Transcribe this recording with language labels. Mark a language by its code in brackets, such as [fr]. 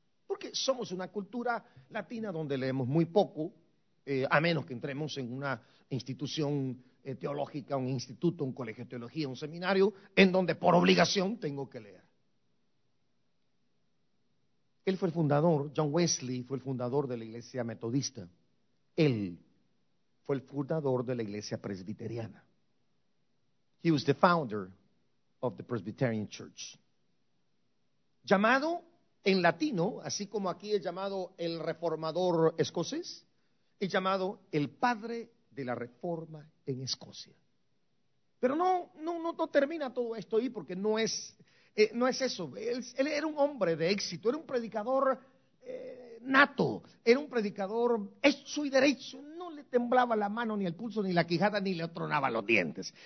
[es] Porque somos una cultura latina donde leemos muy poco, a menos que entremos en una institución teológica, un instituto, un colegio de teología, un seminario, en donde por obligación tengo que leer. Él fue el fundador, John Wesley fue el fundador de la iglesia metodista. Él fue el fundador de la iglesia presbiteriana. [en] He was the founder of the Presbyterian Church. [es] Llamado en latino, así como aquí es llamado el reformador escocés, es llamado el padre de la reforma en Escocia. Pero no termina todo esto ahí porque no es eso, él era un hombre de éxito, era un predicador nato, era un predicador hecho y derecho, no le temblaba la mano, ni el pulso, ni la quijada, ni le tronaba los dientes.